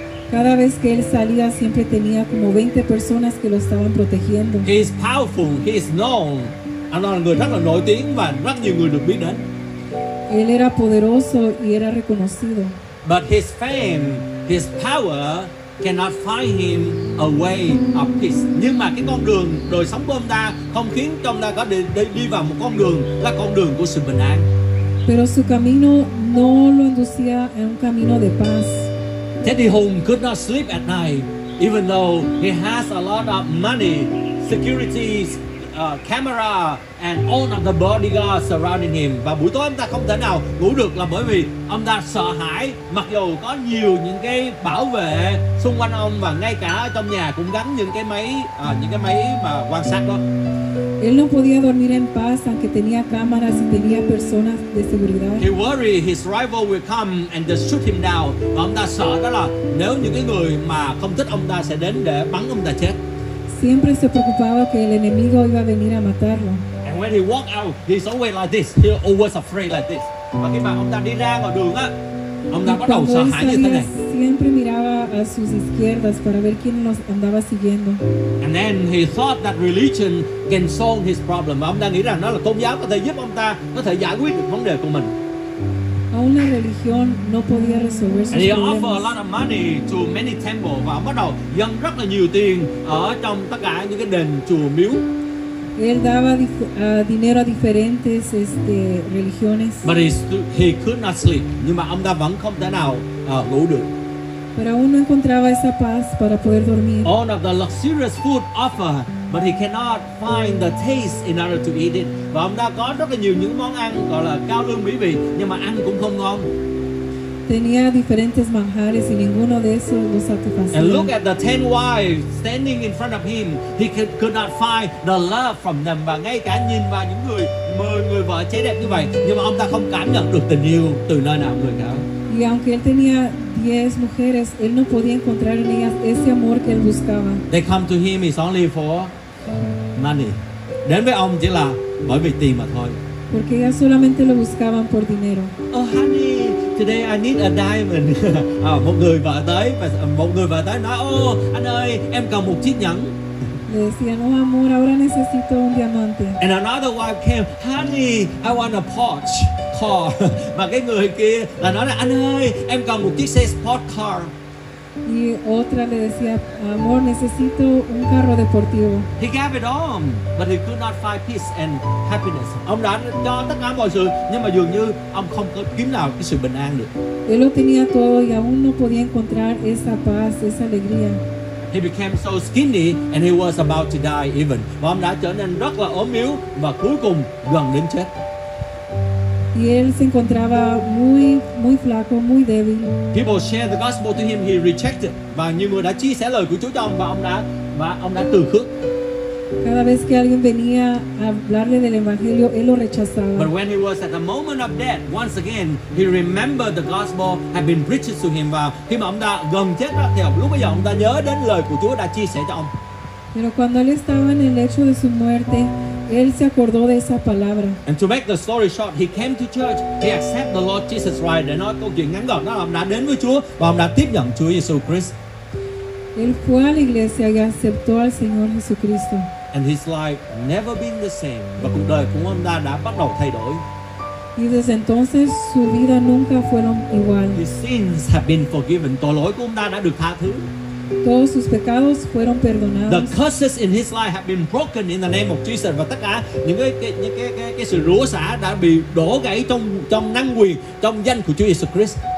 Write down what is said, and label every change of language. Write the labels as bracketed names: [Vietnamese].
[Spanish] Cada vez que él salía siempre tenía como 20 personas que lo estaban protegiendo. [English] He is powerful, he is known. [Vietnamese] Anh là người rất là nổi tiếng và rất nhiều người được biết đến. [Spanish] Él era poderoso y era reconocido. [English] But his fame, his power cannot find him a way of peace. [Vietnamese] Nhưng mà cái con đường đời sống của ông ta không khiến cho ông ta có đi vào một con đường là con đường của sự bình an. [Spanish] Pero su camino no lo inducía a un camino de paz. [English] Teddy Hung could not sleep at night, even though he has a lot of money, securities, camera, and all of the bodyguards surrounding him. [Vietnamese] Và buổi tối ông ta không thể nào ngủ được là bởi vì ông ta sợ hãi, mặc dù có nhiều những cái bảo vệ xung quanh ông và ngay cả trong nhà cũng gắn những cái máy mà quan sát đó. [Spanish] Él no podía dormir en paz aunque tenía cámaras y tenía personas de seguridad. [English] He worried his rival will come and just shoot him down. [Vietnamese] Và ông ta sợ đó là nếu những cái người mà không thích ông ta sẽ đến để bắn ông ta chết. [Spanish] Siempre se preocupaba que el enemigo iba a venir a matarlo. [English] And when he walked out, he's always like this. He always afraid like this. [Vietnamese] Và khi mà ông ta đi ra ngoài đường á, ông đã bắt đầu sợ hãi như thế này. [Spanish] Siempre miraba a sus izquierdas para ver quién nos andaba siguiendo. [English] And then he thought that religion can solve his problem. [Vietnamese] Và ông đang nghĩ rằng đó là tôn giáo có thể giúp ông ta có thể giải quyết được vấn đề của mình. [Spanish] Aún la religión no podía resolver sus [English] And he offered a lot of money to many temples. [Vietnamese] Và ông bắt đầu dâng rất là nhiều tiền ở trong tất cả những cái đền chùa miếu. [Spanish] Él daba dinero a diferentes religiones. [English] But he could not sleep. [Vietnamese] Nhưng mà ông ta vẫn không thể nào ngủ được. [Spanish] Pero aún no encontraba esa paz para poder dormir. [English] All of the luxurious food offered, but he cannot find the taste in order to eat it. [Vietnamese] Và ông ta có rất là nhiều những món ăn gọi là cao lương mỹ vị, nhưng mà ăn cũng không ngon. [Spanish] Tenía diferentes manjares y ninguno de esos lo satisfacía. [English] And look at the 10 wives standing in front of him. He could not find the love from them. [Vietnamese] Và ngay cả nhìn vào những người mời người vợ trẻ đẹp như vậy, nhưng mà ông ta không cảm nhận được tình yêu từ nơi nào người cả. [Spanish] Y aunque él tenía 10 mujeres, él no podía encontrar en ellas ese amor que él buscaba. [English] They come to him is only for money. [Vietnamese] Đến với ông chỉ là bởi vì tiền mà thôi. [Spanish] Porque ellas solamente lo buscaban por dinero. [English] Oh honey, today I need a diamond. [Vietnamese] một người vợ tới nói, oh anh ơi, em cần một chiếc nhẫn. [Spanish] Le decían, oh amor, ahora necesito un diamante. [English] And another wife came, honey, I want a Porsche car. [Vietnamese] Mà cái người kia là nói là, anh ơi, em cần một chiếc xe sport car. [Spanish] Y otra le decía, amor, necesito un carro deportivo. [English] He gave it all, but he could not find peace and happiness. [Vietnamese] Ông đã cho tất cả mọi sự, nhưng mà dường như ông không có kiếm nào cái sự bình an được. [Spanish] Él lo tenía todo y aún no podía encontrar esa paz, esa alegría. [English] He became so skinny and he was about to die even. [Vietnamese] Và ông đã trở nên rất là ốm yếu và cuối cùng gần đến chết. [Spanish] Y él se encontraba muy, muy flaco, muy débil. [English] People shared the gospel to him, he rejected. [Vietnamese] Và nhiều người đã chia sẻ lời của Chúa cho ông và ông đã từ khước. [Spanish] Cada vez que alguien venía a hablarle del evangelio, él lo rechazaba. [English] But when he was at the moment of death, once again, he remembered the gospel had been preached to him. [Vietnamese] Và khi mà ông đã gần chết đó, thì lúc bây giờ ông đã nhớ đến lời của Chúa đã chia sẻ cho ông. [Spanish] Pero cuando él estaba en el lecho de su muerte, él se acordó de esa palabra. [English] And to make the story short, he came to church, he accepted the Lord Jesus Christ. [Vietnamese] Để nói câu chuyện ngắn gọn đó, ông đã đến với Chúa và ông đã tiếp nhận Chúa Jesus Christ. [Spanish] Él fue a la iglesia y aceptó al Señor Jesucristo. [English] And his life never been the same. [Vietnamese] Và cuộc đời của ông đã bắt đầu thay đổi. [Spanish] Y desde entonces su vida nunca fueron igual. [English] His sins have been forgiven. [Vietnamese] Tội lỗi của ông đã được tha thứ. [Spanish] Todos sus pecados fueron perdonados. [English] The curses in his life have been broken in the name of Jesus. [Vietnamese] Và tất cả những cái sự rủa xả đã bị đổ gãy trong năng quyền trong danh của Chúa Jesus Christ.